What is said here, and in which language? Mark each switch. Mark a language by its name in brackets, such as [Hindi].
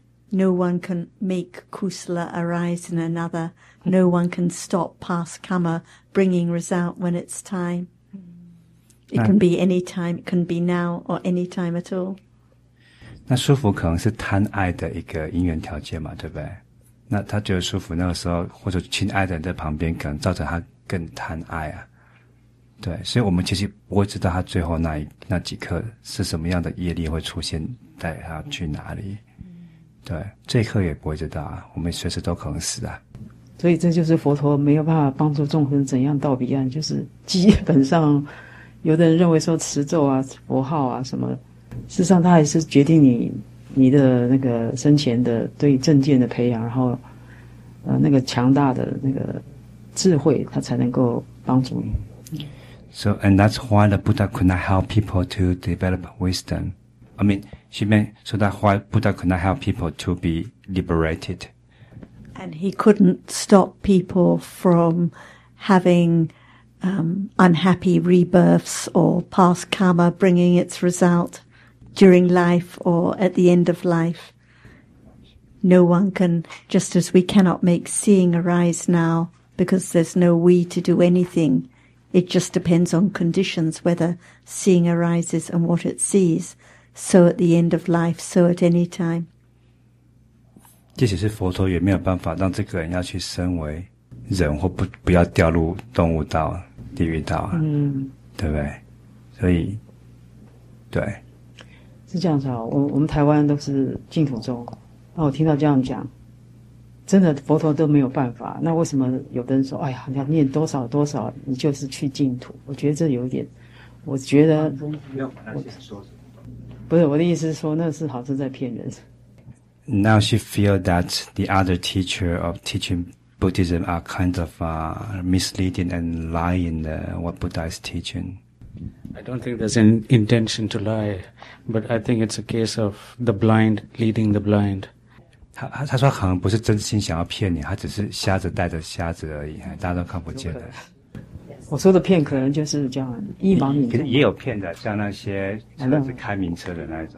[English] No one can make kusala arise in another. No one can stop past karma bringing result when it's time. It can be any time. It can be now or any time at all. [Chinese] 那舒服可能是贪爱的一个因缘条件嘛，对不对？那他觉得舒服，那个时候或者亲爱的人在旁边，可能造成他更贪爱啊。对，所以我们其实不会知道他最后那几刻是什么样的业力会出现，带他去哪里。对，这一刻也不会知道啊，我们随时都可能死啊。所以这就是佛陀没有办法帮助众生怎样到彼岸，就是基本上，有的人认为说持咒啊、佛号啊什么，事实上他还是决定你的那个生前的对正见的培养，然后那个强大的那个智慧，他才能够帮助你。 [English] So and that's why the Buddha could not help people to develop wisdom. I mean. She meant so that why Buddha could not help people to be liberated. And he couldn't stop people from having unhappy rebirths or past karma bringing its result during life or at the end of life. No one can, just as we cannot make seeing arise now because there's no we to do anything. It just depends on conditions, whether seeing arises and what it sees. So at the end of life, so at any time. [Chinese] 即使是佛陀也没有办法让这个人要去升为人或不要掉入动物道、地狱道、啊、对不对？所以，对。是这样子啊，我们台湾都是净土宗，那我听到这样讲，真的佛陀都没有办法，那为什么有的人说，哎呀，你要念多少多少，你就是去净土？我觉得这有点，我觉得。不是我的意思是说那是好像在骗人。 [English] Now she feels that the other teacher of teaching Buddhism are kind of misleading and lying what Buddha is teaching. I don't think there's an intention to lie, but I think it's a case of the blind leading the blind. [Chinese] 他说可能不是真心想要骗你，他只是瞎子带着瞎子而已，大家都看不见的。 [English] Yes. [Chinese] 我说的骗可能就是叫一盲民众，也有骗的，像那些车子开名车的那种。